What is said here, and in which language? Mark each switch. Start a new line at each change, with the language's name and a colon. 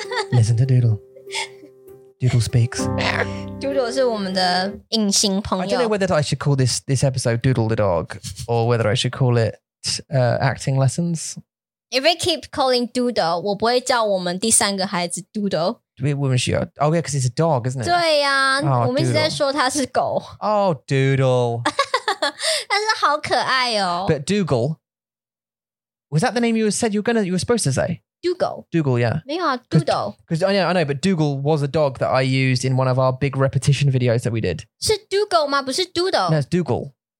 English: Listen to Doodle. Doodle speaks.
Chinese: Doodle 是我们的隐形朋友。
English: I don't know whether I should call this episode Doodle the dog or whether I should call it acting lessons. If we keep calling Doodle,
Chinese: 我不会叫我们第三个孩子 Doodle.
English: Oh, yeah, because it's a dog, isn't it?
Chinese: 对呀、啊 oh, 我们一直在说它是狗。
English: Oh, Doodle.
Chinese: 但是好可爱哦。
English: But Doogle, was that the name you were supposed to say? Doogle, yeah.
Chinese: 没有啊 Doodle.
English: Cause, oh, yeah, I know, but Doogle was a dog that I used in one of our big repetition videos that we did.
Chinese: 是 Doogle 吗不是 Doodle?
English: No, it's Doogle.